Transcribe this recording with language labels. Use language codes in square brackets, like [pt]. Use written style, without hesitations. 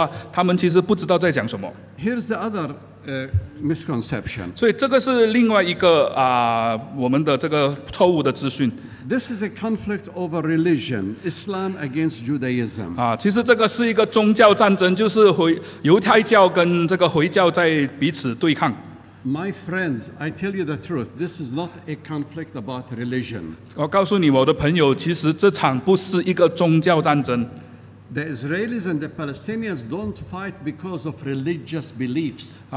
[zh] 所以当有人跟你讲说犹太人跟这个阿拉伯人是世仇的话，他们其实不知道在讲什么。 [en] Here's the other misconception. [zh] 所以这个是另外一个我们的这个错误的资讯。 [en] This is a conflict over religion, Islam against Judaism. [zh] 其实这个是一个宗教战争，就是犹太教跟这个回教在彼此对抗。 [en] My friends, I tell you the truth. This is not a conflict about religion. [zh] 我告诉你，我的朋友，其实这场不是一个宗教战争。 [en] The Israelis and the Palestinians don't fight because of religious beliefs.